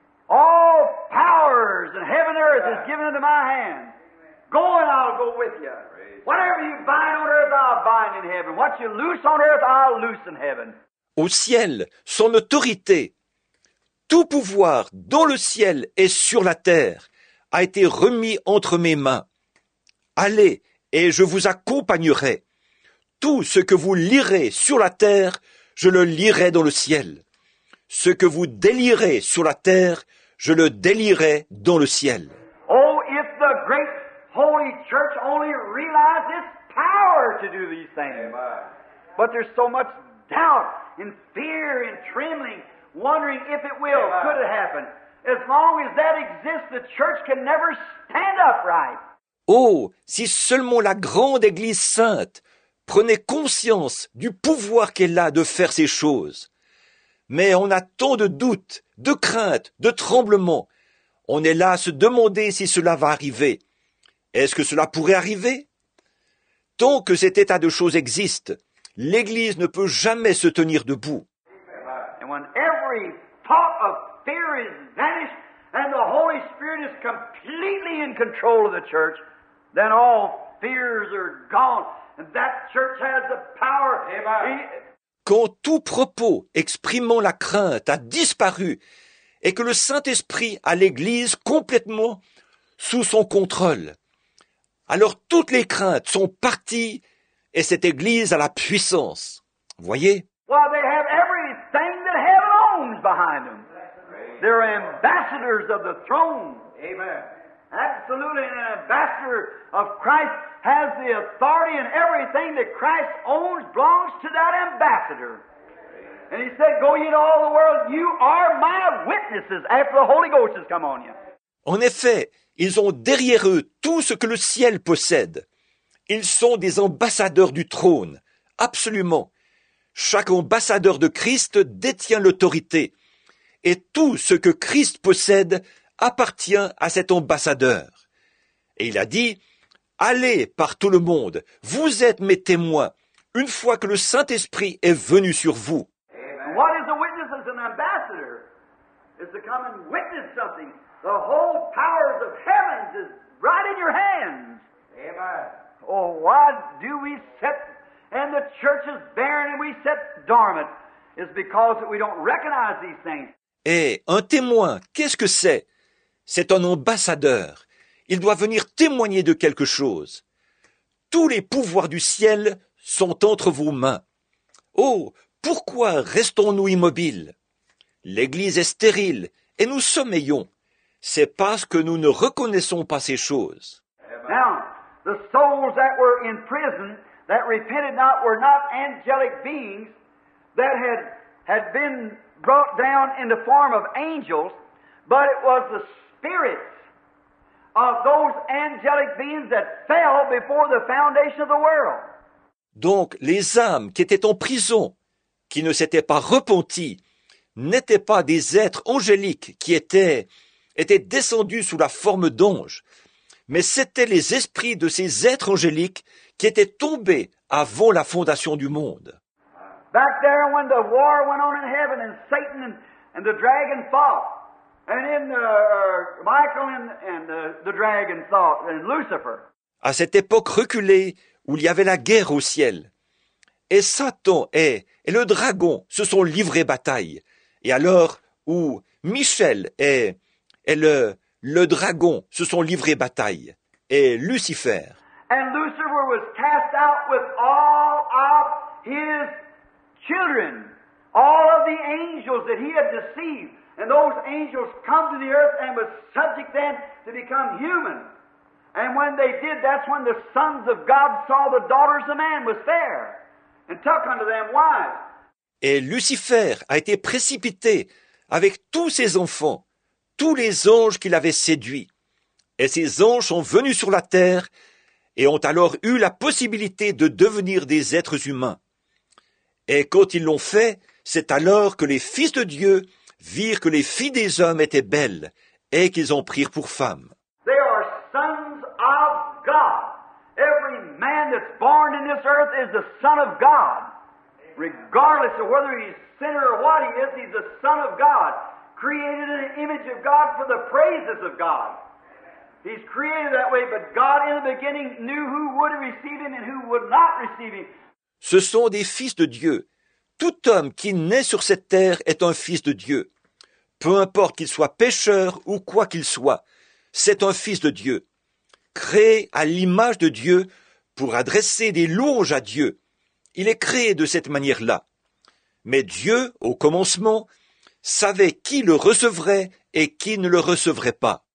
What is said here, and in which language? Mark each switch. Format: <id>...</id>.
<en>All powers in heaven and earth is given into my hand. Go and I'll go with you. Whatever you bind on earth, I'll bind in heaven. What you loose on earth, I'll loose in heaven.</en> <fr>Au ciel, son autorité, tout pouvoir dans le ciel et sur la terre a été remis entre mes mains. Allez, et je vous accompagnerai. Tout ce que vous lirez sur la terre, je le lirai dans le ciel. Ce que vous délirez sur la terre, je le délirai dans le ciel.</fr> <en>Oh, if the great holy church only realized its power to do these things. Amen. But there's so much doubt and fear and trembling, wondering if it will, Amen. Could it happen. As long as that exists, the church can never stand upright.</en> <fr>Oh, si seulement la grande église sainte prenait conscience du pouvoir qu'elle a de faire ces choses. Mais on a tant de doutes, de craintes, de tremblements. On est là à se demander si cela va arriver. Est-ce que cela pourrait arriver? Tant que cet état de choses existe, l'Église ne peut jamais se tenir debout.</fr> <en>And when every thought of fear is vanished and the Holy Spirit is completely in control of the church, then all fears are gone and that church has the power. Amen.</en> <fr>Quand tout propos exprimant la crainte a disparu et que le Saint-Esprit a l'Église complètement sous son contrôle, alors toutes les craintes sont parties et cette Église a la puissance. Voyez?</fr> <en>Well, they have everything that heaven owns behind them. They're ambassadors of the throne. Amen. Absolutely, an ambassador of Christ has the authority and everything that Christ owns belongs to that ambassador. And he said, go ye into all the world, you are my witnesses after the Holy Ghost has come on you.</en> <fr>En effet, ils ont derrière eux tout ce que le ciel possède. Ils sont des ambassadeurs du trône. Absolument. Chaque ambassadeur de Christ détient l'autorité. Et tout ce que Christ possède appartient à cet ambassadeur. Et il a dit, allez par tout le monde, vous êtes mes témoins, une fois que le Saint-Esprit est venu sur vous.</fr> <en>Amen. What is a witness as an ambassador? It's to come and witness something. The whole powers of heavens is right in your hands. Amen. Oh, why do we sit and the church is barren and we sit dormant? It's because we don't recognize these things.</en> <fr>Et un témoin, qu'est-ce que c'est? C'est un ambassadeur. Il doit venir témoigner de quelque chose. Tous les pouvoirs du ciel sont entre vos mains. Oh, pourquoi restons-nous immobiles? L'Église est stérile et nous sommeillons. C'est parce que nous ne reconnaissons pas ces choses.</fr> <en>Now, the souls that were in prison, that repented not, were not angelic beings that had been brought down in the form of angels, but it was the spirits of those angelic beings that fell before the foundation of the world.</en> <fr>Donc, les âmes qui étaient en prison, qui ne s'étaient pas repenties, n'étaient pas des êtres angéliques qui étaient descendus sous la forme d'anges, mais c'étaient les esprits de ces êtres angéliques qui étaient tombés avant la fondation du monde.</fr> <en>Back there when the war went on in heaven and Satan and the dragon fought, and in Michael and the dragon thought, and Lucifer.</en> <fr>À cette époque reculée où il y avait la guerre au ciel, et Satan et le dragon se sont livrés bataille, et alors où Michel et le dragon se sont livrés bataille, et Lucifer.</fr> <en>And Lucifer was cast out with all of his children, all of the angels that he had deceived. And those angels come to the earth and was subject then to become human. And when they did, that's when the sons of God saw the daughters of man was there. and talk unto them wise.</en> <fr>Et Lucifer a été précipité avec tous ses enfants, tous les anges qu'il avait séduits. Et ces anges sont venus sur la terre et ont alors eu la possibilité de devenir des êtres humains. Et quand ils l'ont fait, c'est alors que les fils de Dieu virent que les filles des hommes étaient belles et qu'ils en prirent pour femmes.</fr> <en>They are sons of God. Every man that's born in this earth is the son of God. Regardless of whether he's a sinner or what he is, he's a son of God, created in the image of God for the praises of God. He's created that way, but God in the beginning knew who would receive him and who would not receive him.</en> <fr>Ce sont des fils de Dieu. Tout homme qui naît sur cette terre est un fils de Dieu. Peu importe qu'il soit pécheur ou quoi qu'il soit, c'est un fils de Dieu. Créé à l'image de Dieu pour adresser des louanges à Dieu. Il est créé de cette manière-là. Mais Dieu, au commencement, savait qui le recevrait et qui ne le recevrait pas.</fr>